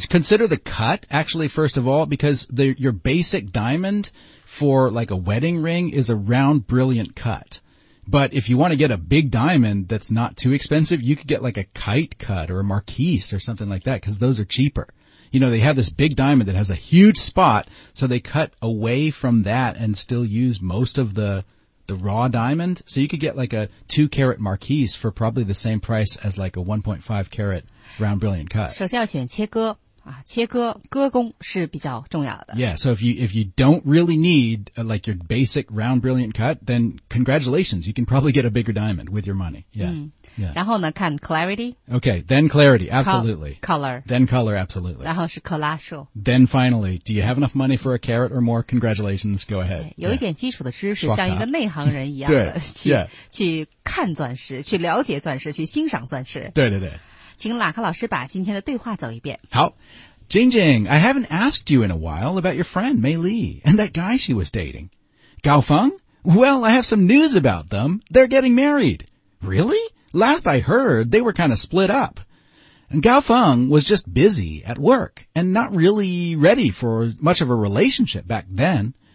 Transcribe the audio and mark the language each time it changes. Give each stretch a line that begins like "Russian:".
English: Consider the cut, actually, first of all Because your basic diamond for like a wedding ring is a round brilliant cutBut if you want to get a big diamond that's not too expensive, you could get like a kite cut or a marquise or something like that because those are cheaper. You know, they have this big diamond that has a huge spot, so they cut away from that and still use most of the raw diamond. So you could get like a 2-carat marquise for probably the same price as like a 1.5-carat round brilliant cut.
Chinese: 首先要选切割。啊、切割割工是比较重要的。
English: Yeah, so if you don't really need like your basic round brilliant cut, then congratulations, you can probably get a bigger diamond with your money. Yeah.
Chinese: 然后呢看 clarity.
English: Okay, then clarity, absolutely. Color. Then color, absolutely.
Chinese: 然后是 colossal.
English: Then finally, do you have enough money for a carat or more? Congratulations, go ahead.
Chinese: 有一点基础的知识、yeah. 像一个内行人一样的去看钻石去了解钻石去欣赏钻石。对对对。请喇克老师把今天的对话走一遍。
English: 好 Jing Jing, I haven't asked you in a while about your friend, Mei Li, and that guy she was dating. Gao Feng? Well, I have some news about them. They're getting married. Really? Last I heard, they were kind of split up. And Gao Feng was just busy at work and not really ready for much of a relationship back then.